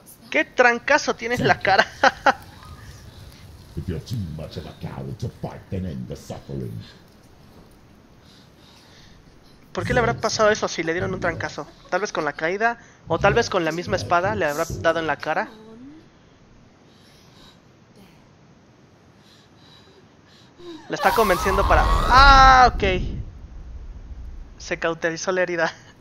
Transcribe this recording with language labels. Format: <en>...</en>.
<es>¡Qué trancazo tienes la cara!</es> <en>If you're too much of a coward to fight, then end the suffering.</en> <es>¿Por qué le habrá pasado eso si le dieron un trancazo? Tal vez con la caída, o tal vez con la misma espada le habrá dado en la cara. Le está convenciendo para... ¡Ah, ok! Se cauterizó la herida.</es>